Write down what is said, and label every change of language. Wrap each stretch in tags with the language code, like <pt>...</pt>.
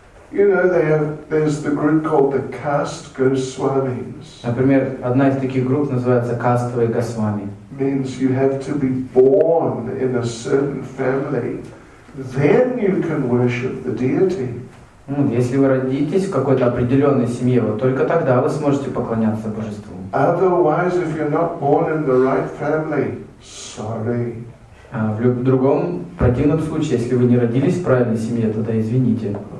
<en>You know, there's the group called the Caste Goswamis.</en> <ru>Например, одна из таких групп называется кастовые госвами.</ru> <en>Means you have to be born in a certain family, then you can worship the deity.</en> <ru>Если вы родитесь в какой-то определенной семье, вот только тогда вы сможете поклоняться божеству.</ru> <en>Otherwise, if you're not born in the right family, sorry.</en> <ru>А в другом, в противном случае, если вы не родились в правильной семье, тогда извините.</ru>